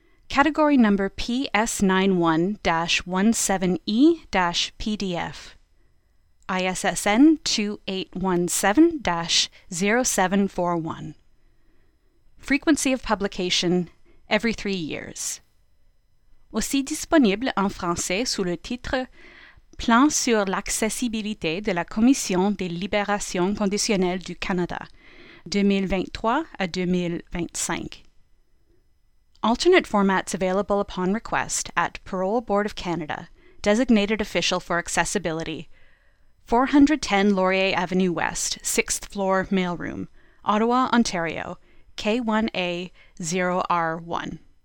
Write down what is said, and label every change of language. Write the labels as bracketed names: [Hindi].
[English] Category number PS91-17E-PDF. ISSN 2817-0741. Frequency of publication, every 3 years. [French] Aussi disponible en français sous le titre Plan sur l'accessibilité de la Commission des libérations conditionnelles du Canada, 2023 à 2025. [English] Alternate formats available upon request at Parole Board of Canada, Designated Official for Accessibility, 410 Laurier Avenue West, 6th Floor Mailroom, Ottawa, Ontario, K1A0R1.